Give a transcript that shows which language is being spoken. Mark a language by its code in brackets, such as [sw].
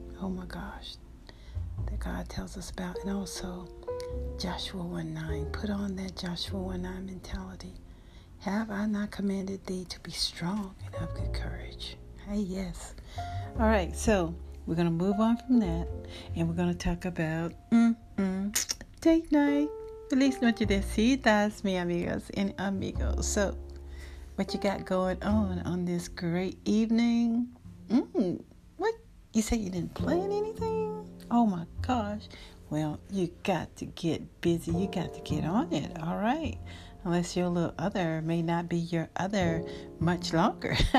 [en] Oh my gosh, that God tells us about. And also Joshua 1:9. Put on that Joshua 1:9 mentality. Have I not commanded thee to be strong and have good courage? Hey, yes. All right, so we're going to move on from that, and we're going to talk about date night. [es] Feliz noche de citas, mi amigas y amigos. [en] So, what you got going on this great evening? What? You say you didn't plan anything? Oh my gosh. Well, you got to get busy. You got to get on it. All right. Unless your little other may not be your other much longer.